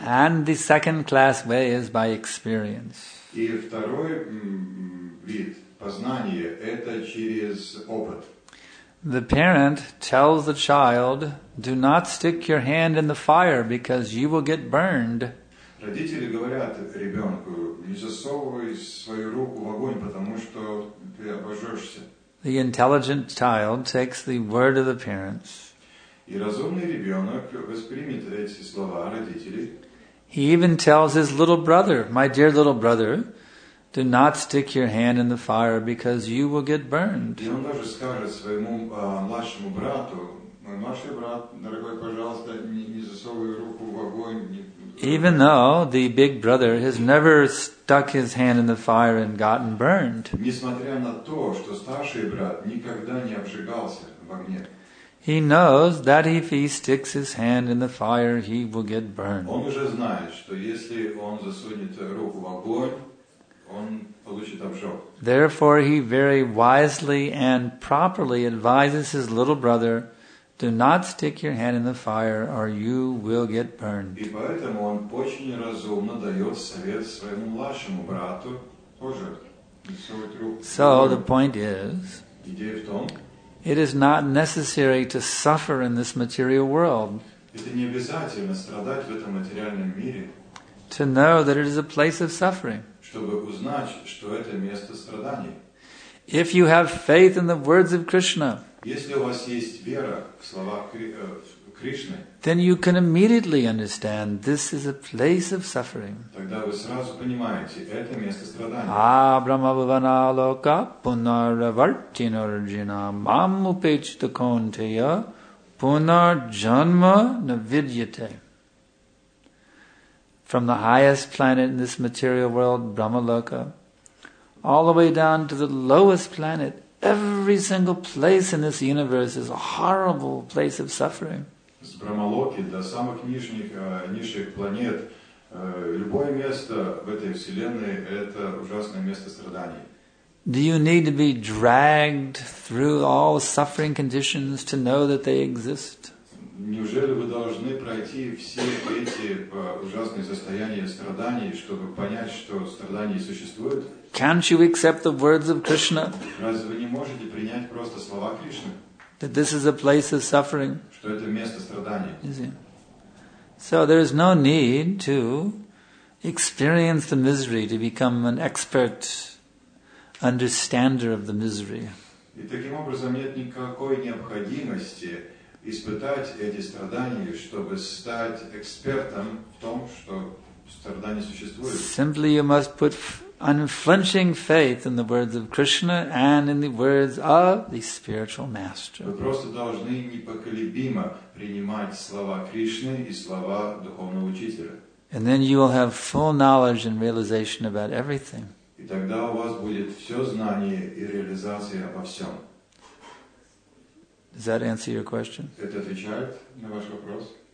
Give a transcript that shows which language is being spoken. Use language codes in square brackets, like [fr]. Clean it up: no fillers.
[en] And the second class way is by experience. [ru] И второй вид познания, это через опыт. [en] The parent tells the child, do not stick your hand in the fire because you will get burned. [ru] Родители говорят ребенку, не засовывай свою руку в огонь, потому что ты обожжешься. [en] The intelligent child takes the word of the parents. [ru] И разумный ребенок воспримет эти слова родителей. [en] He even tells his little brother, my dear little brother, do not stick your hand in the fire because you will get burned. [ru] И он даже скажет своему младшему брату, мой младший брат, дорогой, пожалуйста, не засовывай руку в огонь. [en] Even though the big brother has never stuck his hand in the fire and gotten burned. [ru] Несмотря на то, что старший брат никогда не обжигался в огне. [en] He knows that if he sticks his hand in the fire, he will get burned. [ru] Он уже знает, что если он засунет руку в огонь, он получит обжог. [en] Therefore, he very wisely and properly advises his little brother, do not stick your hand in the fire or you will get burned. [ru] И поэтому он очень разумно дает совет своему младшему брату тоже. [en] So the point is, [ru] идея в том, [en] it is not necessary to suffer in this material world. [ru] Это не обязательно страдать в этом материальном мире. [en] To know that it is a place of suffering. [ru] чтобы узнать, что это место страданий. [en] If you have faith in the words of Krishna, [ru] если у вас есть вера в слова Кришны, [en] then you can immediately understand this is a place of suffering. [ru] Тогда вы сразу понимаете, это место страданий. [sa] Абрамабваналока пунарвартинарджина маммупечтаконтея пунарджанма навидьяте. [en] From the highest planet in this material world, Brahmaloka, all the way down to the lowest planet, every single place in this universe is a horrible place of suffering. [ru] С Брамалоки до самых нижних, низших планет, любое место в этой вселенной – это ужасное место страданий. [en] Do you need to be dragged through all suffering conditions to know that they exist? [ru] Неужели вы должны пройти все эти ужасные состояния страданий, чтобы понять, что страдания существуют? [en] Can't you accept the words of Krishna? [ru] Разве вы не можете принять просто слова Кришны? [en] That this is a place of suffering. [ru] Что это место страданий. [en] So there is no need to experience the misery to become an expert understander of the misery. [ru] И таким образом нет никакой необходимости испытать эти страдания, чтобы стать экспертом в том, что страдания существуют. [en] Simply you must put unflinching faith in the words of Krishna and in the words of the spiritual master. [ru] Вы просто должны непоколебимо принимать слова Кришны и слова духовного учителя. [en] And then you will have full knowledge and realization about everything. [ru] И тогда у вас будет все знание и реализация обо всем. [en] Does that answer your question? [ru] Это отвечает на ваш вопрос?